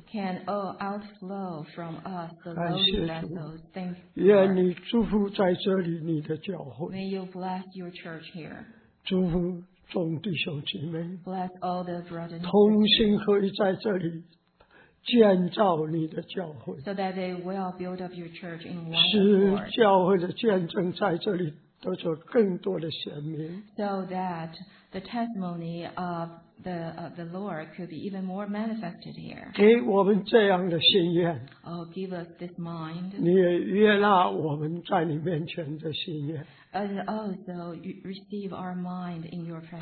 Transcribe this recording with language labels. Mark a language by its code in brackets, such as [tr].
[en] can outflow from us the lowly vessels. Thank you. [zh] 愿你祝福在这里你的教会 [en] May you bless your church here. [zh] 祝福众弟兄姐妹 [en] Bless all the brothers and sisters. [zh] 同心合意在这里建造你的教会 [en] so that they will build up your church in one accord. [zh] 使教会的见证在这里得着更多的显明 [en] so that the testimony of the Lord could be even more manifested here. [zh] 给我们这样的心愿 [en] Oh, give us this mind. [zh] 你也悦纳我们在你面前的心愿 [en] And also receive our mind in your presence.